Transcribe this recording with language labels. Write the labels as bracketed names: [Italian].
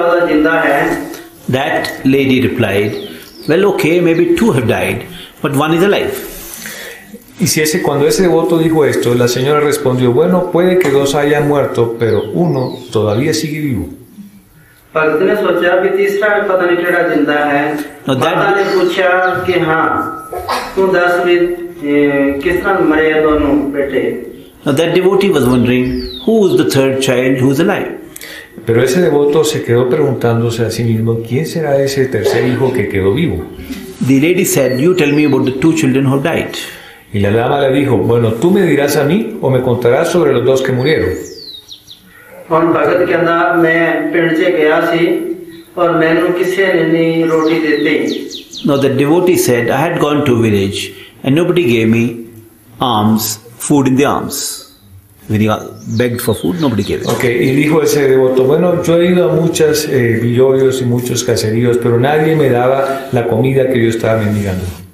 [English] That lady replied, well, okay, maybe two have died, but one is alive. [Spanish] Y si ese, cuando ese devoto dijo esto, la señora respondió, bueno, puede que dos hayan muerto, pero uno todavía sigue vivo. [English] Now that devotee was wondering, who is the third child who is alive? [Spanish] Pero ese devoto se quedó preguntándose a sí mismo, ¿quién será ese tercer hijo que quedó vivo? [English] The lady said, you tell me about the two children who died. [Spanish] Y la dama le dijo, bueno, ¿tú me dirás a mí o me contarás sobre los dos que murieron? [English] No, the devotee said, I had gone to a village and nobody gave me alms, food in the alms. When he begged for food, nobody gave it. [Spanish] Okay, y dijo ese devoto, bueno, yo he ido a muchas villorios y muchos caseríos, pero nadie me daba la comida que yo estaba mendigando.